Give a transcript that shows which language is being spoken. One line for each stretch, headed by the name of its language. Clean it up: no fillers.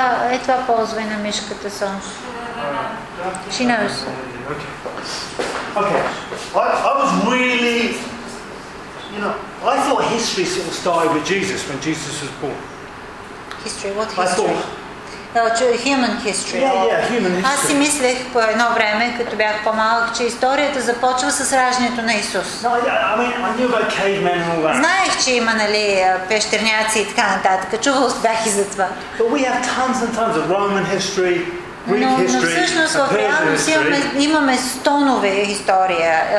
Bulgarian: Ето ползвай на мишката, Сонс.
English: She knows. Okay. I was really, I thought history sort of started with Jesus when Jesus was born. History? What history? Human history. Yeah, human history.
Bulgarian: Аз си мислех по едно време, като бях по-малък, че историята започва с раждането на Исус.
English: I knew about cavemen and all that.
Bulgarian: Знаех, че има, нали, пещерняци и така нататък. Чувал бях и за това.
English: But we have tons and tons of Roman history.
Bulgarian: Но всъщност в реалност имаме стонове история.